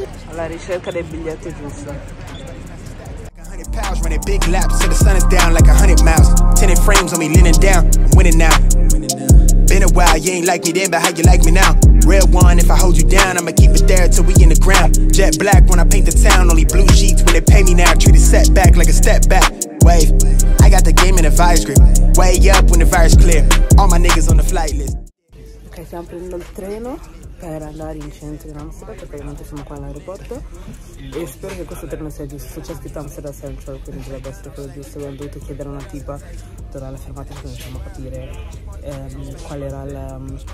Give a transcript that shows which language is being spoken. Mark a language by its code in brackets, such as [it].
[it] alla ricerca del biglietto giusto. [en] Running big laps till the sun is down like 100 miles. 10 frames on me leaning down. Winning now. Been a while, you ain't like me then, but how you like me now? Real one, if I hold you down, I'ma keep it there till we in the ground. Jet black when I paint the town, only blue sheets when they pay me now. Treat a setback like a step back. Wave, I got the game in a vice grip. Way up when the virus clear. All my niggas on the flight list. [it] Ok, stiamo prendendo il treno per andare in centro di Amsterdam, perché ovviamente siamo qua all'aeroporto e spero che questo treno sia giusto. C'è scritto Amsterdam Central, quindi dovrebbe essere quello giusto. Abbiamo dovuto chiedere a una tipa durante la fermata, così riusciamo a capire qual era il...